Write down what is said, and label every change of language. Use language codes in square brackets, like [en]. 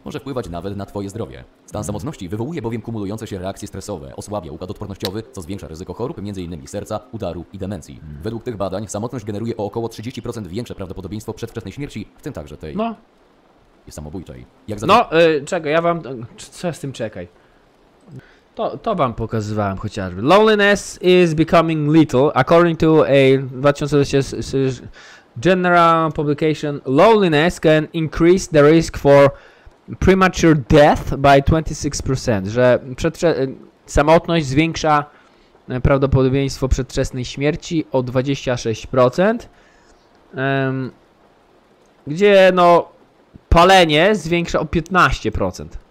[pl] Może wpływać nawet na twoje zdrowie. Stan samotności wywołuje bowiem kumulujące się reakcje stresowe, osłabia układ odpornościowy, co zwiększa ryzyko chorób, m.in. serca, udaru i demencji. Według tych badań samotność generuje o około 30% większe prawdopodobieństwo przedwczesnej śmierci, w tym także tej... No. ...i samobójczej. Jak czekaj, ja wam... Co z tym czekaj? To wam pokazywałem chociażby. [en] Loneliness is becoming little. According to a 2020 general publication, loneliness can increase the risk for premature death by 26%. [pl] Że samotność zwiększa prawdopodobieństwo przedwczesnej śmierci o 26%. Gdzie palenie zwiększa o 15%.